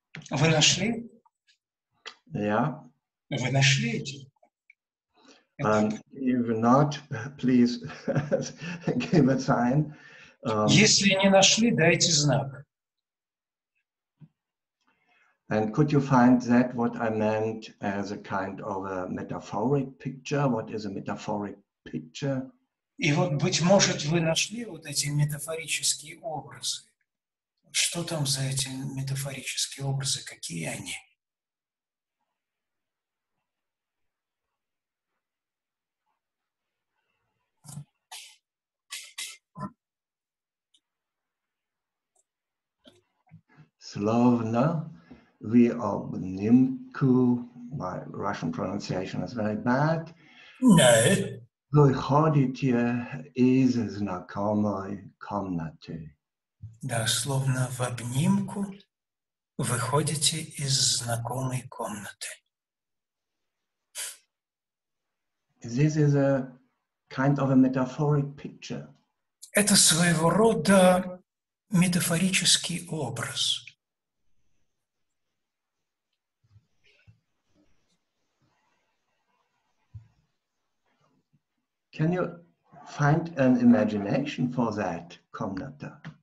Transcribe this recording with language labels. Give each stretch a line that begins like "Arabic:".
Russian: Вы нашли?
English: Yeah.
Russian: Вы нашли эти?
English: And if not, please give a sign.
Russian: Если не нашли, дайте знак.
English: And could you find that what I meant as a kind of a metaphoric picture? What is a metaphoric picture?
Russian: И вот, быть может, вы нашли вот эти метафорические образы. Что там за эти метафорические образы? Какие они? Словно вы обнимку,
English: my Russian pronunciation is very bad. No.
Russian: Выходите из знакомой комнаты. Да, словно в обнимку выходите из знакомой комнаты.
English: This is a kind of a metaphoric picture.
Russian: Это своего рода метафорический образ.
English: Can you find an imagination for that комната?